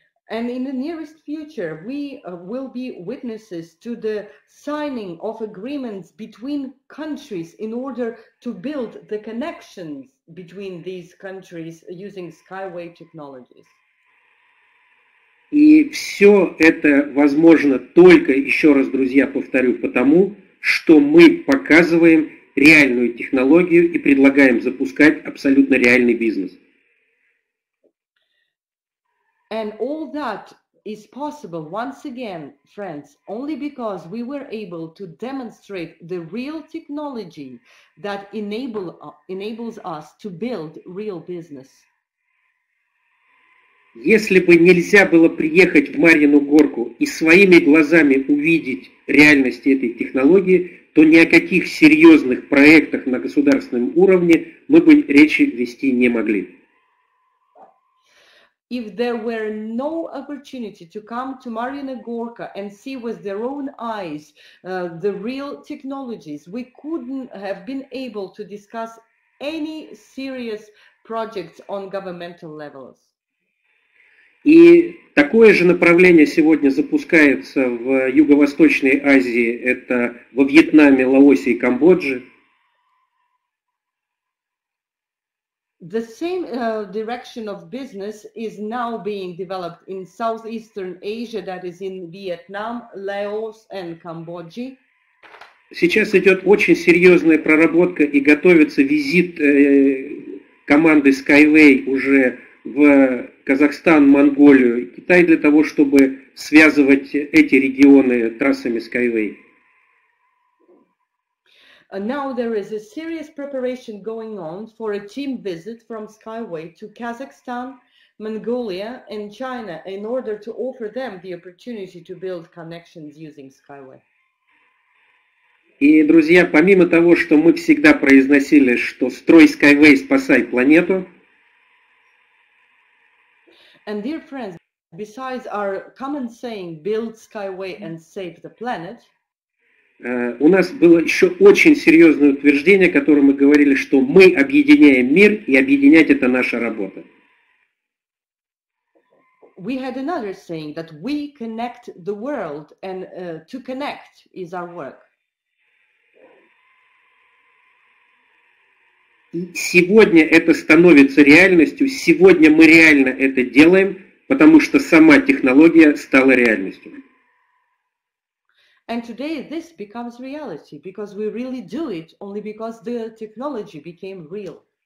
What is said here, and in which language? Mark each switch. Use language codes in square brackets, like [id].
[en] And in the nearest future, we will be witnesses to the signing of agreements between countries in order to build the connections between these countries using Skyway technologies. [ru] И все это возможно только, еще раз, друзья, повторю, потому что мы показываем реальную технологию и предлагаем запускать абсолютно реальный бизнес. [en] And all that is possible once again, friends, only because we were able to demonstrate the real technology that enables us to build real business. [ru] Если бы нельзя было приехать в Марьину Горку и своими глазами увидеть реальность этой технологии, то ни о каких серьезных проектах на государственном уровне мы бы речи вести не могли. [en] If there were no opportunity to come to Marina Gorka and see with their own eyes the real technologies, we couldn't have been able to discuss any serious projects on governmental levels. [ru] И такое же направление сегодня запускается в Юго-Восточной Азии, это во Вьетнаме, Лаосе и Камбодже. [en] The same direction of business is now being developed in Southeastern Asia, that is in Vietnam, Laos and Cambodia. [ru] Сейчас идет очень серьезная проработка и готовится визит команды Skyway уже в Казахстан, Монголию, Китай для того, чтобы связывать эти регионы трассами Skyway. [en] Now there is a serious preparation going on for a team visit from Skyway to Kazakhstan, Mongolia and China in order to offer them the opportunity to build connections using Skyway. [ru] И, друзья, помимо того, что мы всегда произносили, что строй Skyway, спасай планету. [en] And dear friends, besides our common saying, build Skyway and save the planet, [ru] у нас было еще очень серьезное утверждение, которое мы говорили, что мы объединяем мир, и объединять это наша работа. [en] We had another saying that we connect the world, and to connect is our work. [ru] И сегодня это становится реальностью, сегодня мы реально это делаем, потому что сама технология стала реальностью. [en] And today this becomes reality, because we really do it only because the technology became real.